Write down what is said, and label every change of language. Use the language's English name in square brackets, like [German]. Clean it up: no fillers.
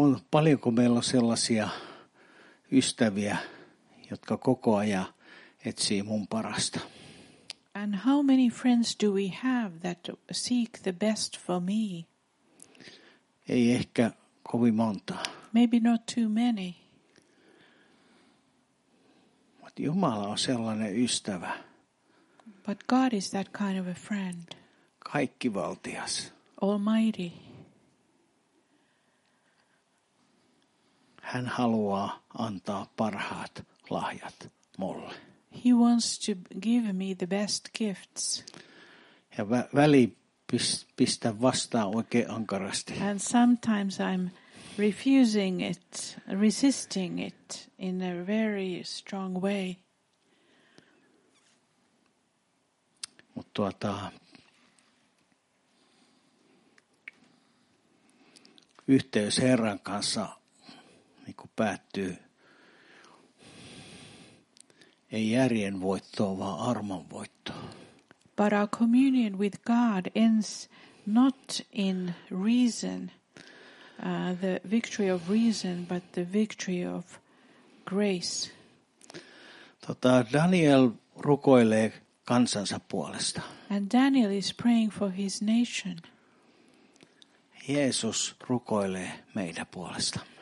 [Finnish] Paljonko meillä on sellaisia ystäviä, jotka koko ajan etsii mun parasta. [English] And how many friends do we have that seek the best for me? [Finnish] Ei ehkä kovin monta. [English] Maybe not too many. [Finnish] Mutta Jumala on sellainen ystävä. [English] But God is that kind of a friend. [Finnish] Kaikkivaltias. [English] Almighty. [Finnish] Hän haluaa antaa parhaat lahjat mulle. [English] He wants to give me the best gifts. [Finnish] Ja väliin pistä vastaan oikein ankarasti. [English] And sometimes I'm refusing it, resisting it in a very strong way. [Finnish] Mutta yhteys Herran kanssa niinku päättyy ei järjen voittoon vaan armon voittoon. [English] But our communion with God ends not in reason, the victory of reason, but the victory of grace. [Finnish] Daniel rukoilee kansansa puolesta. [English] And Daniel is praying for his nation. [Finnish] Jeesus rukoilee meidän puolesta.